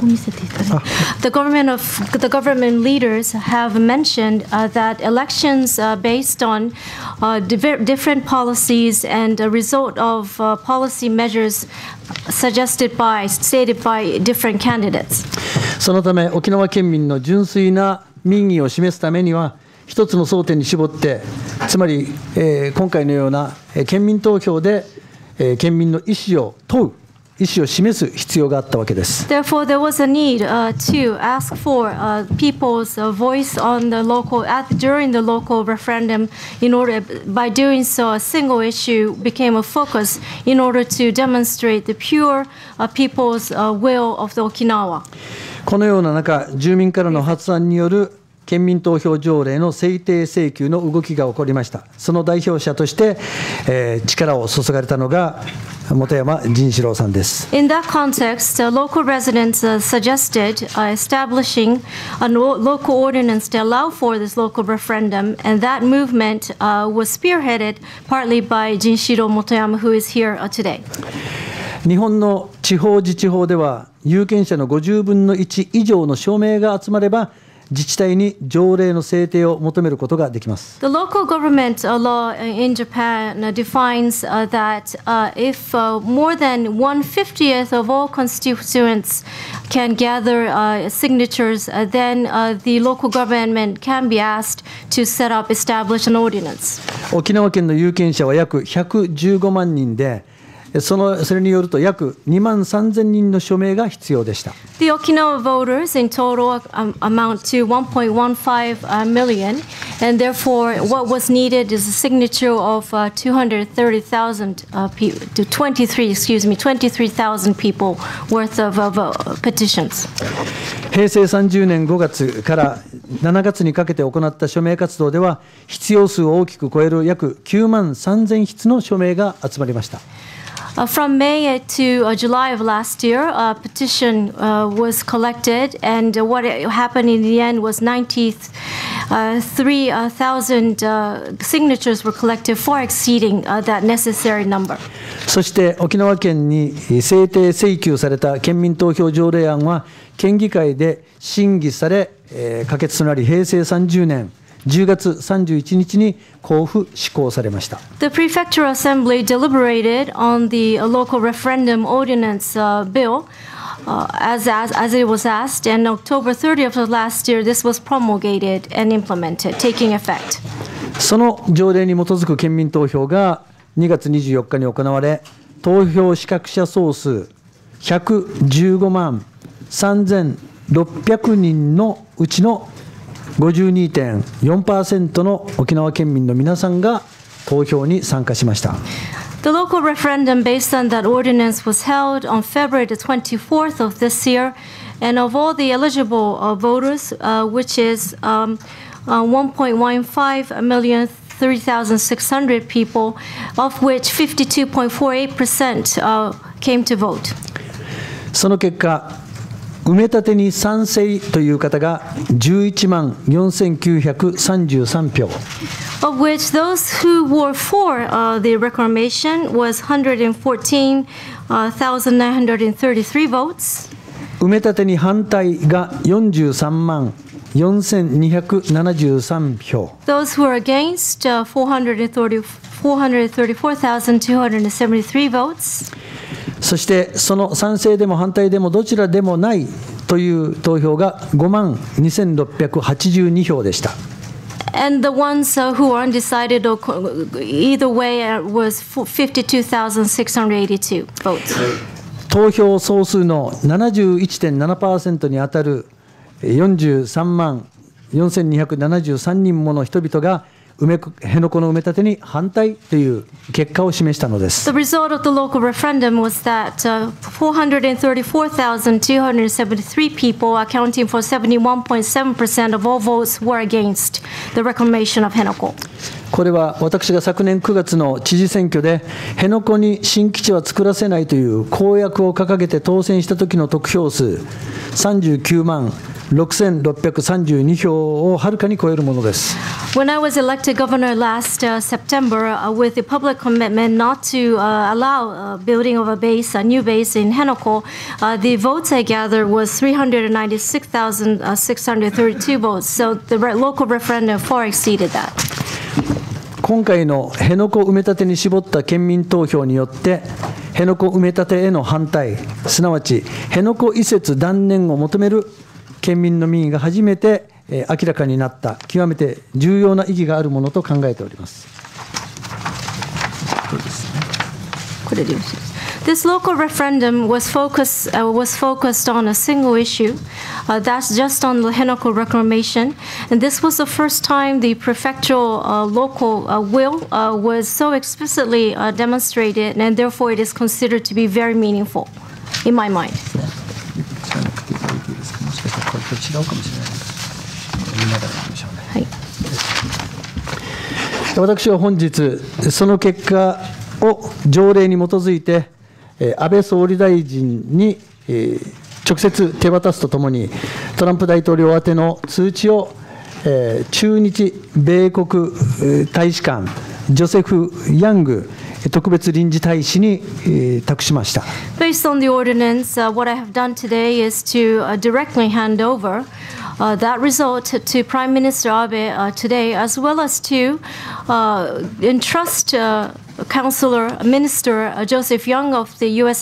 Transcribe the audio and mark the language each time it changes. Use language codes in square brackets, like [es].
[en] The government leaders have mentioned that elections based on different policies and a result of policy measures suggested by, stated by different candidates. [ja] そのため沖縄県民の純粋な民意を示すためには、一つの争点に絞って、つまり今回のような県民投票で県民の意思を問う。意思を示す必要があったわけです。 [en] Therefore, there was a need to ask for people's voice on the local during the local referendum. In order, by doing so, a single issue became a focus in order to demonstrate the pure people's will of the Okinawa. [ja] このような中、住民からの発案による県民投票条例の制定請求の動きが起こりました。その代表者として、力を注がれたのが本山仁志郎さんです。 [en] In that context, local residents suggested establishing a local ordinance to allow for this local referendum, and that movement was spearheaded partly by 仁志郎本山 who is here today. [ja] 日本の地方自治法では有権者の50分の1以上の署名が集まれば自治体に条例の制定を求めることができます。 [en] The local government law in Japan defines that if more than 1/50th of all constituents can gather signatures, then the local government can be asked to set up, establish an ordinance. [ja] 沖縄県の有権者は約115万人で、それによると約2万3000人の署名が必要でした。 [en] The Okinawa voters in total amount to 1.15 million, and therefore what was needed is a signature of 23,000 people worth of petitions. [ja] 平成30年5月から7月にかけて行った署名活動では、必要数を大きく超える約9万3000筆の署名が集まりました。 [en] From May to July of last year, a petition was collected, and what happened in the end was 93,000 signatures were collected, far exceeding that necessary number. [ja] そして沖縄県に制定請求された県民投票条例案は県議会で審議され、可決となり平成30年10月31日に公布施行されました。 [en] The Prefectural Assembly deliberated on the local referendum ordinance bill as it was asked, and October 30th of last year, this was promulgated and implemented, taking effect. [ja] その条例に基づく県民投票が2月24日に行われ、投票資格者総数115万3600人のうちの52.4% の沖縄県民の皆さんが投票に参加しました。 [en] The local referendum based on that ordinance was held on February the 24th of this year, and of all the eligible voters, which is 1.153,600 people, of which 52.48% came to vote. [ja] その結果、埋め立てに賛成という方が114,933票。 [en] Of which those who were for the reclamation was 114,933 votes. [ja] 埋め立てに反対が43,4273票。 [en] Those who were against 434,273 votes. [ja] そしてその賛成でも反対でもどちらでもないという投票が5万2682票でした。 [en] And the ones who were undecided or either way was 52,682 votes. [ja] 投票総数の 71.7% に当たる43万4273人もの人々が辺野古の埋め立てに反対という結果を示したのです。 [en] The result of the local referendum was that 434,273 people, accounting for 71.7% of all votes, were against the reclamation of 辺野古。 [ja] これは私が昨年9月の知事選挙で辺野古に新基地は作らせないという公約を掲げて当選した時の得票数396,632 票をはるかに超えるものです。 [en] When I was elected governor last September, with the public commitment not to allow building of a base, a new base in 辺野古, the votes I gathered was 396,632 votes. So the local referendum far exceeded that. [ja] 今回の辺野古埋め立てに絞った県民投票によって辺野古埋め立てへの反対、すなわち辺野古移設断念を求める県民の民意が初めて明らかになった極めて重要な意義があるものと考えております。これでよろしいですか。 [en] This local referendum was focused on a single issue, that's just on the 辺野古 reclamation. And this was the first time the prefectural local will was so explicitly demonstrated, and therefore it is considered to be very meaningful in my mind. [ja] 私は本日その結果を条例に基づいて安倍総理大臣に直接手渡すとともにトランプ大統領宛ての通知を駐日米国大使館ジョセフ・ヤング特別臨時大使に託しました。 [en] Based on the ordinance, what I have done today is to directly hand over that result to Prime Minister Abe today, as well as to entrust Counselor Minister Joseph Young of the U.S.